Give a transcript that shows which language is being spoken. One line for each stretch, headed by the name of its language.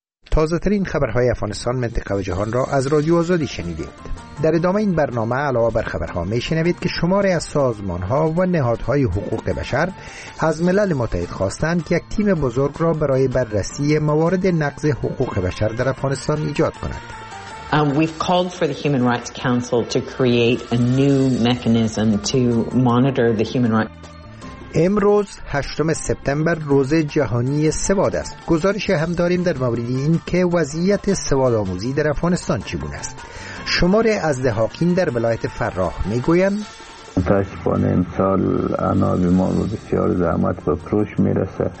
Persian: تازه ترین خبرهای افغانستان، منطقه و جهان را از رادیو آزادی شنیدید. در ادامه این برنامه علاوه بر خبرها می شنوید که شماری از سازمانها و نهادهای حقوق بشر از ملل متحد خواستند که یک تیم بزرگ را برای بررسی موارد نقض حقوق بشر در افغانستان ایجاد کند.
English: We've called for the Human Rights Council to create a new mechanism to monitor the human rights.
Persian: امروز 8 سپتامبر روز جهانی سواد است. گزارش هم داریم در مورد این که وضعیت سواد آموزی در افغانستان چگونه است. شماره از دهاکین در ولایت فراه میگویند متاسفانه امسال عناب ما بسیار زحمت به فروش میرسه.